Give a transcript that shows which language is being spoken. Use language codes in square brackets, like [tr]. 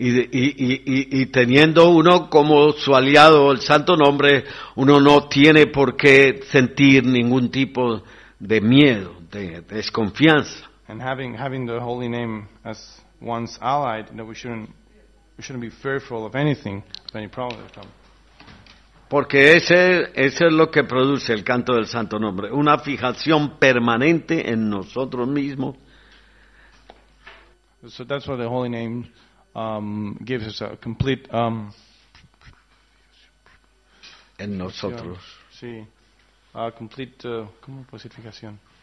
[es] Y teniendo uno como su aliado el santo nombre, uno no tiene por qué sentir ningún tipo de miedo, de desconfianza. [en] And having the holy name as one's ally, you know, we shouldn't be fearful of anything, of any problem that comes. [es] Porque ese es lo que produce el canto del santo nombre, una fijación permanente en nosotros mismos. [en] So that's what the holy name gives us, a complete [es] en nosotros. Sí. [en] A complete [es] ¿cómo posificación?